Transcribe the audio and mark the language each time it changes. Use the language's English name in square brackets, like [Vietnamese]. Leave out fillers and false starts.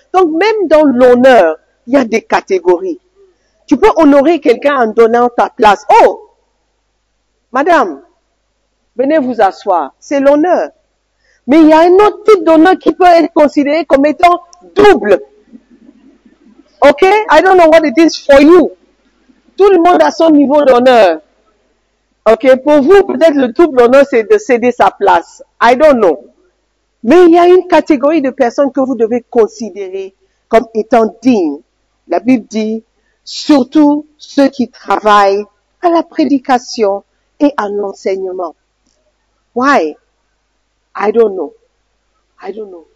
[French] Donc, même dans l'honneur, il y a des catégories. Tu peux honorer quelqu'un en donnant ta place. Oh, madame, venez vous asseoir, c'est l'honneur. Mais il y a un autre type d'honneur qui peut être considéré comme étant double. Ok? [English] I don't know what it is for you. [French] Tout le monde a son niveau d'honneur. Ok? Pour vous, peut-être le double honneur, c'est de céder sa place. [English] I don't know. [French] Mais il y a une catégorie de personnes que vous devez considérer comme étant dignes. La Bible dit, surtout ceux qui travaillent à la prédication et à l'enseignement. [English] Why? I don't know. I don't know.